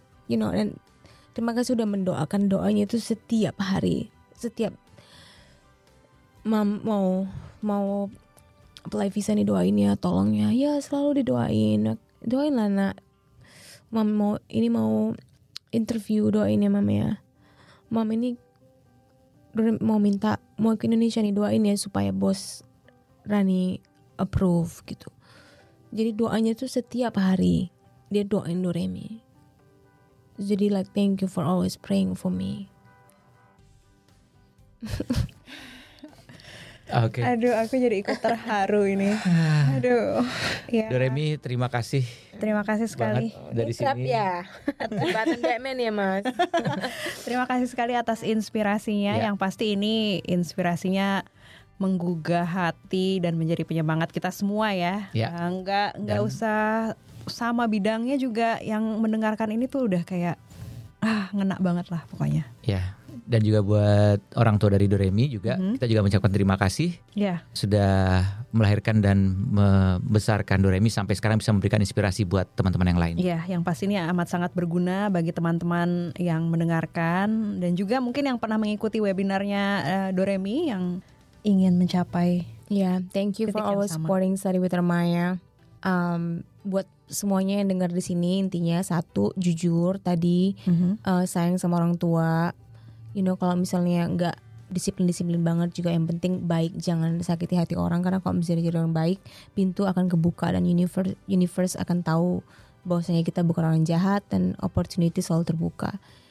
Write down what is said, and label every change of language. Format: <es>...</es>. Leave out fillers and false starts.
<en>You know,</en> <id>dan terima kasih sudah mendoakan doanya itu setiap hari, setiap mau apply visa nih, doain ya, tolong ya, ya selalu didoain, doain lah nak, mam mau ini mau interview, doain ya mam ya, mam ini mau minta mau ke Indonesia nih, doain ya supaya bos Rani approve gitu. Jadi doanya itu setiap hari dia doain Doremi. Jadi</id> <en>like thank you for always praying for me. Okay.</en> <id>Aduh, aku jadi ikut terharu ini. Aduh. Ya. Doremi, terima kasih. Terima kasih sekali. Dari sini. Trap ya. Batman Batman ya, Mas. Terima kasih sekali atas inspirasinya. Yeah. Yang pasti ini inspirasinya menggugah hati dan menjadi penyemangat kita semua ya.</id> <en>Yeah.</en> <id>Enggak usah. Sama bidangnya juga yang mendengarkan ini tuh udah kayak ngena banget lah pokoknya. Ya, dan juga buat orang tua dari Doremi juga, kita juga mengucapkan terima kasih sudah melahirkan dan membesarkan Doremi sampai sekarang bisa memberikan inspirasi buat teman-teman yang lain. Iya, yang pasti ini amat sangat berguna bagi teman-teman yang mendengarkan dan juga mungkin yang pernah mengikuti webinarnya Doremi yang ingin mencapai.</id> <en>Ya, thank you for always supporting Study with Remaya.</en> <id>Buat semuanya yang dengar di sini, intinya satu, jujur tadi, sayang sama orang tua,</id> <en>you know,</en> <id>kalau misalnya nggak disiplin banget juga, yang penting baik, jangan sakiti hati orang, karena kalau misalnya jadi orang baik, pintu akan kebuka dan universe akan tahu bahwasanya kita bukan orang jahat dan opportunity selalu terbuka.</id>